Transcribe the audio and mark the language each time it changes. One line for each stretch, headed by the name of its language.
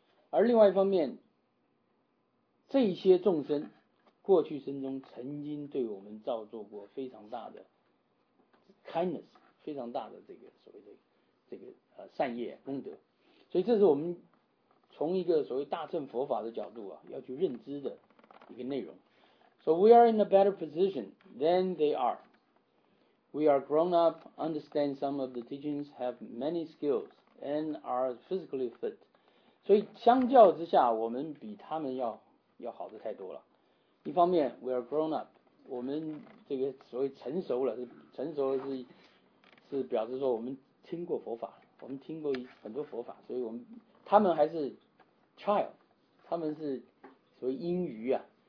Chinese: 而另外一方面，这些众生过去生中曾经对我们造作过非常大的 kindness， 非常大的这个所谓的这个善业功德，所以这是我们从一个所谓大乘佛法的角度啊要去认知的一个内容。
English: So we are in a better position than they are. We are grown up, understand some of the teachings, have many skills, and are physically fit.
Chinese: 所以相较之下，我们比他们要好的太多了。一方面 ，
English: we are grown up，
Chinese: 我们这个所谓成熟了，成熟是表示说我们听过佛法，我们听过很多佛法，所以他们还是 child， 他们是所谓婴余啊。